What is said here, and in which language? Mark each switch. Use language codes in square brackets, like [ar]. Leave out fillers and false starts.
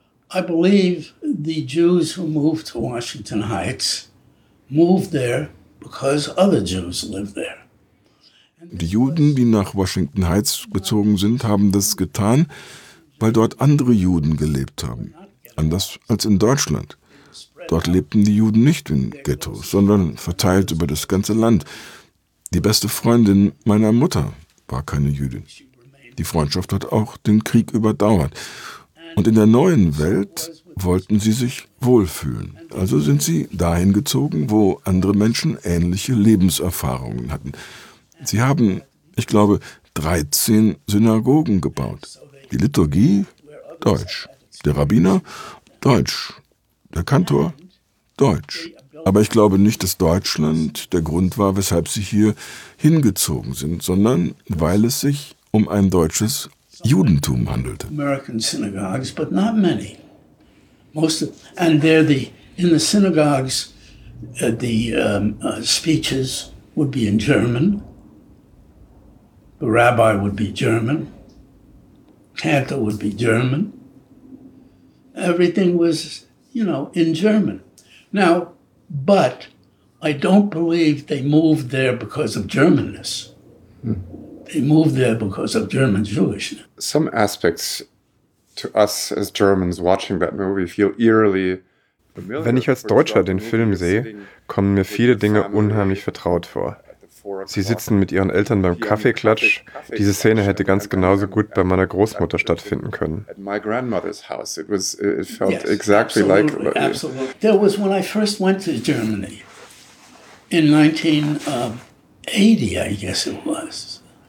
[en] I believe the Jews who moved to Washington Heights moved there because other Jews lived there. [de] Die Juden, die nach Washington Heights gezogen sind, haben das getan, weil dort andere Juden gelebt haben, anders als in Deutschland. Dort lebten die Juden nicht in Ghettos, sondern verteilt über das ganze Land. Die beste Freundin meiner Mutter war keine Jüdin. Die Freundschaft hat auch den Krieg überdauert. Und in der neuen Welt wollten sie sich wohlfühlen. Also sind sie dahin gezogen, wo andere Menschen ähnliche Lebenserfahrungen hatten. Sie haben, ich glaube, 13 Synagogen gebaut. Die Liturgie, Deutsch. Der Rabbiner, Deutsch. Der Kantor, Deutsch. Aber ich glaube nicht, dass Deutschland der Grund war, weshalb sie hier hingezogen sind, sondern weil es sich um ein deutsches Judentum handelte. [en] American synagogues, but not many. Most of, and there the in the synagogues the speeches would be in German. The rabbi would be German. Cantor would be German. Everything was, you know, in German. Now, but I don't believe they moved there because of Germanness. They moved there because of German Jewishness. Some aspects to us as Germans watching that movie feel eerily... [de] Wenn ich als Deutscher den Film sehe, kommen mir viele Dinge unheimlich vertraut vor. Sie sitzen mit ihren Eltern beim Kaffeeklatsch. Diese Szene hätte ganz genauso gut bei meiner Großmutter stattfinden können. [en] At my grandmother's house, it was, it felt exactly like. Absolutely, absolutely. There was when I first went to Germany in 1980, I guess it was.